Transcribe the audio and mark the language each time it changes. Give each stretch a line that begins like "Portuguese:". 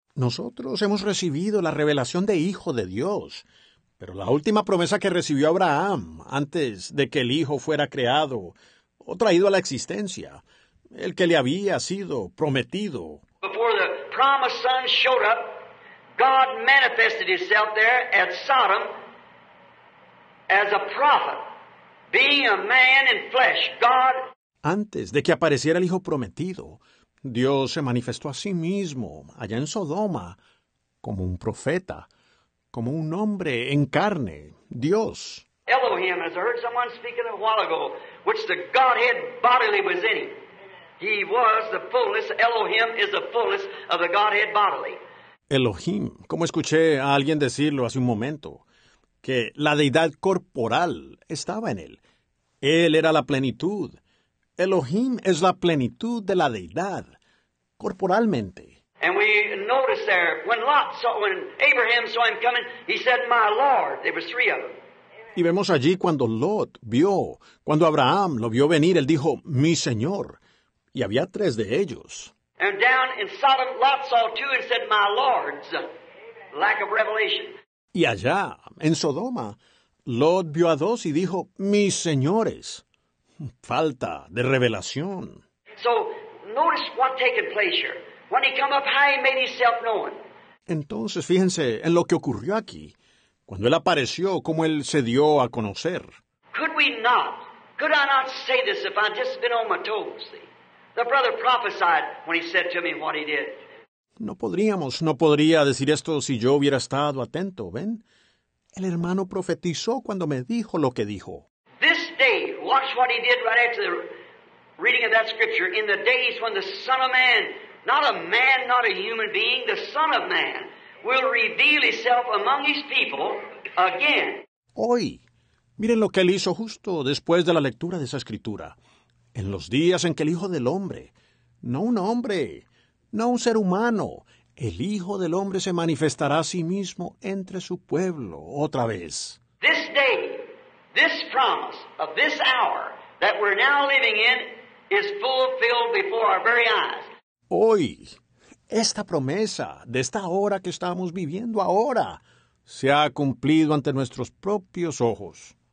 Spanish: Nosotros hemos recibido la revelación de Hijo de Dios, pero la última promesa que recibió Abraham antes de que el Hijo fuera creado o traído a la existencia, el que le había sido prometido.
English: Before the promised Son showed up, God manifested himself there at Sodom as a prophet. Being a man in flesh, God.
Spanish: Antes de que apareciera el Hijo Prometido, Dios se manifestó a sí mismo allá en Sodoma como un profeta, como un hombre en carne, Dios.
English: Elohim, as I heard someone speaking a while ago, which the Godhead bodily was in him. He was the fullness. Elohim is the fullness of the Godhead bodily.
Spanish: Elohim, como escuché a alguien decirlo hace un momento, que la deidad corporal estaba en él. Él era la plenitud. Elohim es la plenitud de la deidad, corporalmente.
English: And we notice there, when Abraham saw him coming, he said, my Lord, there were three of them.
Spanish: Y vemos allí cuando Lot vio, cuando Abraham lo vio venir, él dijo, mi Señor, y había tres de ellos.
English: And down in Sodom, Lot saw two and said, my Lord's lack of revelation.
Spanish: Y allá, en Sodoma, Lot vio a dos y dijo, mis señores, falta de revelación.
English: So, notice what taken place here. When he come up high, he made himself known.
Spanish: Entonces, fíjense en lo que ocurrió aquí. Cuando él apareció, cómo él se dio a conocer.
English: Could we not? Could I not say this if I'd just been on my toes? The brother prophesied when he said to me what he did.
Spanish: No podría decir esto si yo hubiera estado atento, ¿ven? El hermano profetizó cuando me dijo lo que dijo.
English: This day, watch what he did right after the reading of that scripture, in the days when the Son of Man, not a human being, the Son of Man, will reveal himself among his people again.
Spanish: Hoy, miren lo que él hizo justo después de la lectura de esa escritura. En los días en que el Hijo del Hombre, no un hombre, no un ser humano, el Hijo del Hombre se manifestará a sí mismo entre su pueblo otra vez.
English: This day, this promise of this hour that we're now living in is fulfilled before our very eyes.
Spanish: Hoy, esta promesa de esta hora que estamos viviendo ahora se ha cumplido ante nuestros propios ojos.